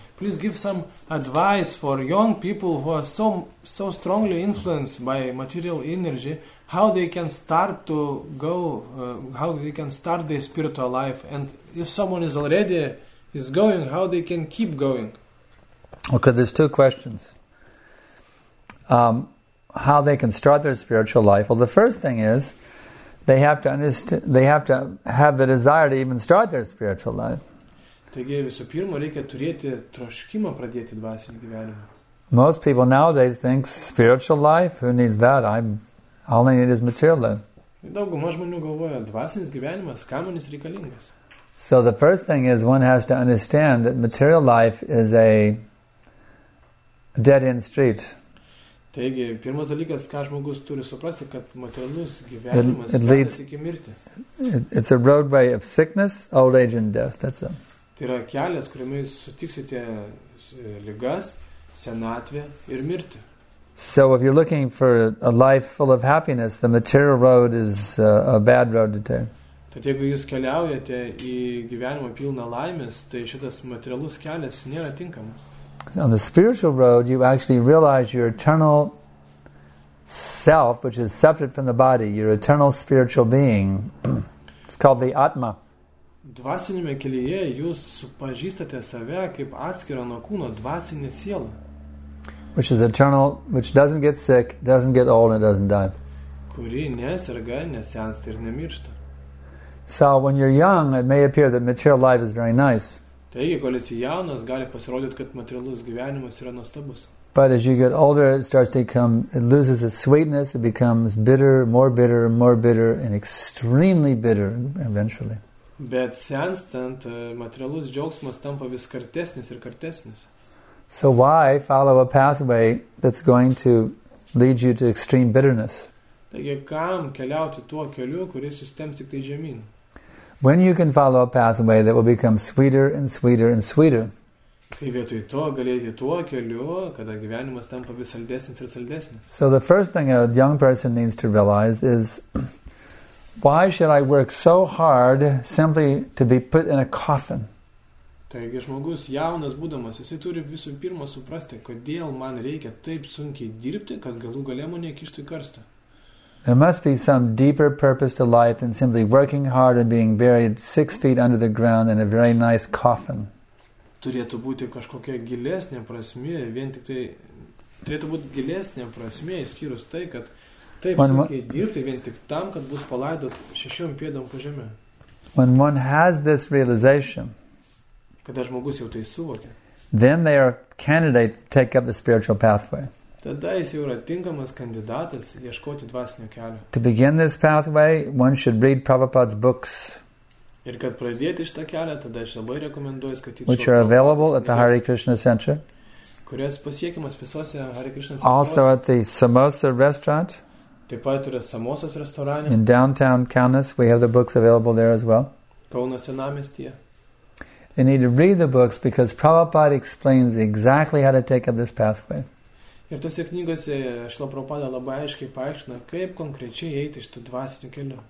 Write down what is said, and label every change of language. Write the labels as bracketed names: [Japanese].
[English] Please give some advice for young people who are so strongly influenced by material energy, how they can start to go, how they can start their spiritual life, and if someone is already is going, how they can keep going. Okay, there's two questions. How they can start their spiritual life. Well, the first thing is they have to understand, they have to have the desire to even start their spiritual life. [Lithuanian] Taigi visų pirma reikia turėti troškimą pradėti dvasinį gyvenimą. [English] Most people nowadays think spiritual life, who needs that? All I need is material life. [Lithuanian] Dauguma žmonių galvoja, dvasinis gyvenimas, kam jis reikalingas? [English] So the first thing is one has to understand that material life is a dead-end street. [Lithuanian] Taigi, pirmas dalykas, ką žmogus turi suprasti, kad materialus gyvenimas [English] leads [Lithuanian] iki mirti. [English] It's a roadway of sickness, old age and death. That's it. [Lithuanian] Tai yra kelias, kuriame jūs sutiksite ligas, senatvę ir mirtį. [English] So if you're looking for a life full of happiness, the material road is a bad road to take. [Lithuanian] Tad jeigu jūs keliaujate į gyvenimo pilną laimės, tai šitas materialus kelias nėra tinkamas. [English] On the spiritual road, you actually realize your eternal self, which is separate from the body, your eternal spiritual being. It's called the Atma. [Lithuanian] Dvasinėme kelyje jūs supažįstate save kaip atskirą nuo kūno dvasinę sielą. [English] Which is eternal, which doesn't get sick, doesn't get old, and doesn't die. [Lithuanian] Kuri neserga, nesensta ir nemiršta. [English] So when you're young, it may appear that material life is very nice. [Lithuanian] Taigi, kol esi jaunas, gali pasirodyti, kad materialus gyvenimas yra nuostabus. [English] But as you get older, it starts to become, it loses its sweetness, it becomes bitter, more bitter, more bitter, and extremely bitter eventually. [Lithuanian] Bet senstant, materialus džiaugsmas tampa vis kartesnis ir kartesnis. [English] So why follow a pathway that's going to lead you to extreme bitterness? [Lithuanian] Taigi, kam keliauti tuo keliu, kuris jus temps tik tai žemyn? [English] When you can follow a pathway that will become sweeter and sweeter and sweeter. So the first thing a young person needs to realize is, why should I work so hard simply to be put in a coffin? [Lithuanian] Taigi, žmogus, jaunas būdamas, jisai turi visų pirma suprasti, kodėl man reikia taip sunkiai dirbti, kad galų gale mane kištų į karstą. [English] There must be some deeper purpose to life than simply working hard and being buried 6 feet under the ground in a very nice coffin. [Lithuanian] Turėtų būti kažkokia gilesnė prasmė, vien tik tai, turėtų būti gilesnė prasmė, išskyrus tai, kad taip sunkiai dirbti vien tik tam, kad būtų palaidot 6 pėdom po žemė. [English] When one has this realization, [Lithuanian] kada žmogus jau tai suvokia, [English] then they are candidate to take up the spiritual pathway. [Lithuanian] Tada jis jau yra tinkamas kandidatas ieškoti dvasinio kelio. [English] To begin this pathway, one should read Prabhupada's books. [Lithuanian] Ir kad pradėti šitą kelią, tada aš labai rekomenduoju skaityti [English] which are available at the Hare Krishna Center. [Lithuanian] Kurios pasiekimas visose Hare Krishna [English] Center. Also at the Samosa restaurant. [Lithuanian] Taip pat yra Samosas restorane. [English] In downtown Kaunas, we have the books available there as well. [Lithuanian] Kauno senamestyje. [English] They need to read the books because Prabhupada explains exactly how to take up this pathway. [Lithuanian] Ir tose knygose Šrila Prabhupada labai aiškiai paaiškina, kaip konkrečiai eiti iš tų dvasinių kelių.